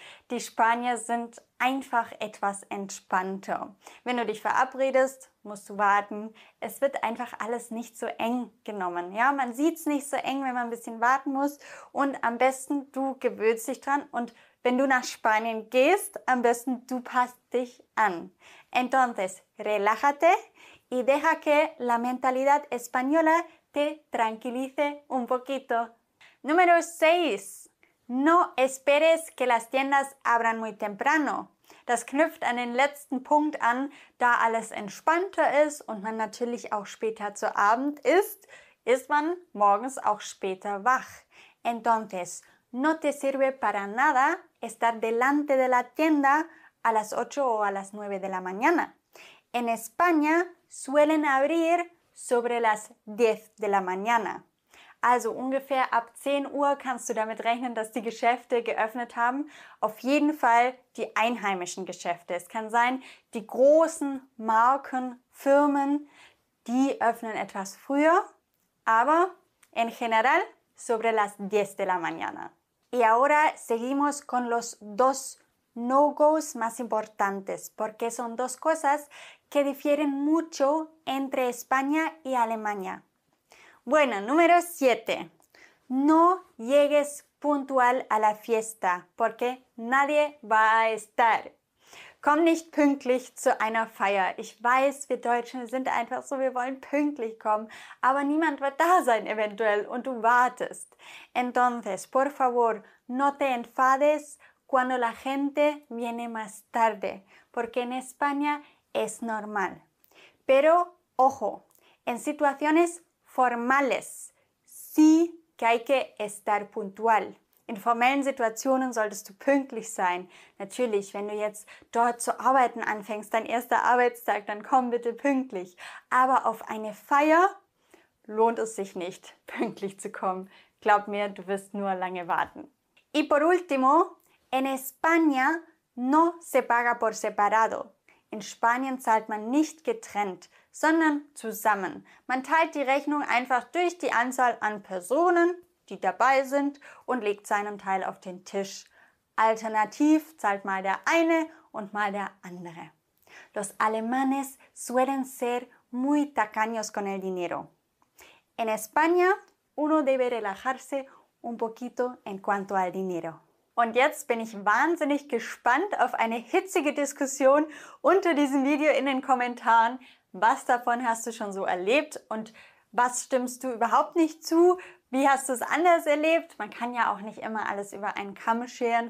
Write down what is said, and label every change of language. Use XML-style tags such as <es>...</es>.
<de>Die Spanier sind einfach etwas entspannter. Wenn du dich verabredest, musst du warten. Es wird einfach alles nicht so eng genommen. Ja, man sieht es nicht so eng, wenn man ein bisschen warten muss. Und am besten, du gewöhnst dich dran und wenn du nach Spanien gehst, am besten du passt dich an.</de> <es>Entonces, relájate y deja que la mentalidad española te tranquilice un poquito. Número 6. No esperes que las tiendas abran muy temprano.</es> <de>Das knüpft an den letzten Punkt an, da alles entspannter ist und man natürlich auch später zu Abend isst, ist man morgens auch später wach.</de> <es>Entonces, no te sirve para nada estar delante de la tienda a las 8 o a las 9 de la mañana. En España suelen abrir sobre las 10 de la mañana.</es> <de>Also ungefähr ab 10 Uhr kannst du damit rechnen, dass die Geschäfte geöffnet haben. Auf jeden Fall die einheimischen Geschäfte. Es kann sein, die großen Marken, Firmen, die öffnen etwas früher. Aber</de> <es>en general sobre las 10 de la mañana. Y ahora seguimos con los dos no-gos más importantes, porque son dos cosas que difieren mucho entre España y Alemania. Bueno, número 7. No llegues puntual a la fiesta, porque nadie va a estar.</es> <de>Komm nicht pünktlich zu einer Feier. Ich weiß, wir Deutschen sind einfach so, wir wollen pünktlich kommen, aber niemand wird da sein eventuell und du wartest.</de> <es>Entonces, por favor, no te enfades cuando la gente viene más tarde, porque en España es normal. Pero, ojo, en situaciones formales sí que hay que estar puntual.</es> <de>In formellen Situationen solltest du pünktlich sein. Natürlich, wenn du jetzt dort zu arbeiten anfängst, dein erster Arbeitstag, dann komm bitte pünktlich. Aber auf eine Feier lohnt es sich nicht, pünktlich zu kommen. Glaub mir, du wirst nur lange warten.</de> <es>Y por último, en España no se paga por separado.</es> <de>In Spanien zahlt man nicht getrennt, sondern zusammen. Man teilt die Rechnung einfach durch die Anzahl an Personen, die dabei sind und legt seinen Teil auf den Tisch. Alternativ zahlt mal der eine und mal der andere.</de> <es>Los alemanes suelen ser muy tacaños con el dinero. En España, uno debe relajarse un poquito en cuanto al dinero.</es> <de>Und jetzt bin ich wahnsinnig gespannt auf eine hitzige Diskussion unter diesem Video in den Kommentaren. Was davon hast du schon so erlebt und was stimmst du überhaupt nicht zu? Wie hast du es anders erlebt? Man kann ja auch nicht immer alles über einen Kamm scheren.</de>